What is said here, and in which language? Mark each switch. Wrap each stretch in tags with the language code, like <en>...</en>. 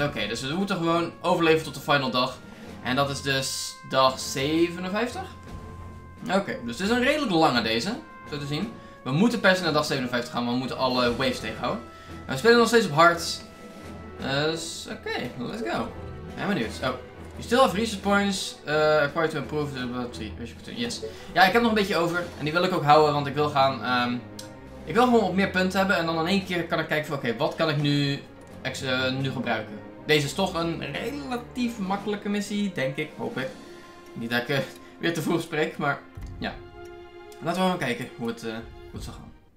<nl>Okay, dus we moeten gewoon overleven tot de final dag. En dat is dus dag 57? Okay, dus het is een redelijk lange deze, zo te zien. We moeten persen naar dag 57 gaan, maar we moeten alle waves tegenhouden. We spelen nog steeds op hard.</nl> <en>Okay, let's go.</en> <nl>I'm benieuwd. Oh.</nl> <en>You still have research points acquired to improve the ability. Yes.</en> <nl>Ja, ik heb nog een beetje over. En die wil ik ook houden, want ik wil gaan. Ik wil gewoon op meer punten hebben. En dan in één keer kan ik kijken van oké, wat kan ik nu gebruiken? Deze is toch een relatief makkelijke missie, denk ik. Hoop ik. Niet dat ik weer te vroeg spreek, maar ja. Laten we gewoon kijken hoe het zal gaan.</nl>